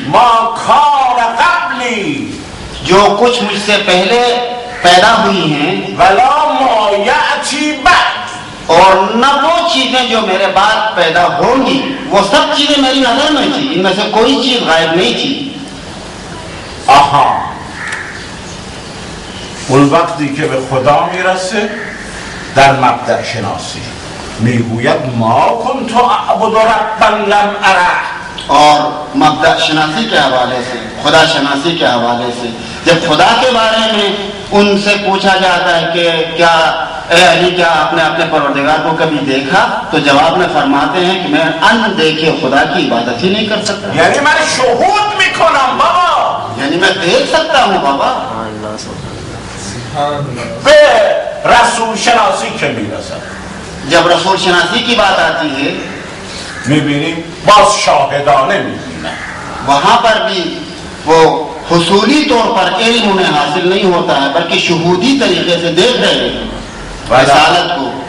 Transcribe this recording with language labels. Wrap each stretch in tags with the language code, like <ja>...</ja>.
<ar>ما کان قبلی,</ar> <ur>جو کچھ مجھ سے پہلے پیدا ہوئی ہیں.</ur> <ar>ولا ما یأتی بعد,</ar> <ur>اور نہ وہ چیزیں جو میرے بعد پیدا ہوں گی, وہ سب چیزیں میری نظر میں تھی, ان میں سے کوئی چیز غائب نہیں تھی.</ur> <fa>آہا, اون وقتی که به خدا میرسه در مبدا شناسی میگوید</fa> <ar>ما کنت اعبد ربا لم اره,</ar> <ur>اور مبدا شناسی کے حوالے سے, خدا شناسی کے حوالے سے جب خدا کے بارے میں ان سے پوچھا جاتا ہے کہ کیا اے علی, کیا آپ نے اپنے پروردگار کو کبھی دیکھا, تو جواب میں فرماتے ہیں کہ میں ان دیکھے خدا کی عبادت ہی نہیں کر سکتا.</ur> <fa>یعنی میں شہود میکنم بابا,</fa> <ur>یعنی میں دیکھ سکتا ہوں بابا.</ur> <fa>به رسول شناسی که میرسد.</fa> <ur>جب رسول شناسی کی بات آتی ہے</ur> <fa>میبینیم باز شاهدانه میبینیم</fa> <ur>وہاں پر بھی وہ حصولی طور پر علم انہیں حاصل نہیں ہوتا ہے بلکہ شهودی طریقے سے دیکھ رہے ہیں رسالت کو.</ur>